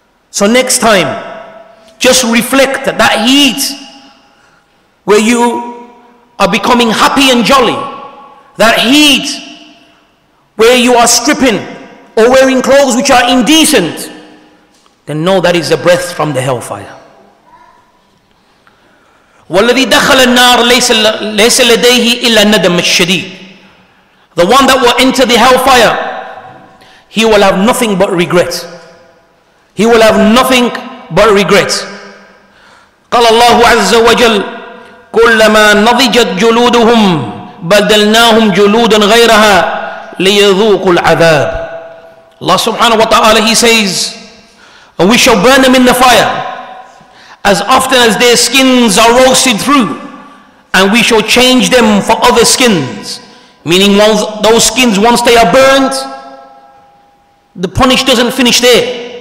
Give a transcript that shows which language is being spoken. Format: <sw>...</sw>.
<en>So next time, just reflect that that heat where you are becoming happy and jolly, that heat where you are stripping or wearing clothes which are indecent, then know that is a breath from the hellfire.</en> <ar>والذي دخل النار ليس لديه إلا الندم الشديد.</ar> <en>The one that will enter the hellfire, he will have nothing but regret. He will have nothing but regret.</en> <ar>قال الله عز وجل كلما نضجت جلودهم بدلناهم جلودا غيرها ليذوقوا العذاب.</ar> <en>Allah subhanahu wa ta'ala, he says, and we shall burn them in the fire as often as their skins are roasted through, and we shall change them for other skins. Meaning those skins, once they are burnt, the punish doesn't finish there.</en>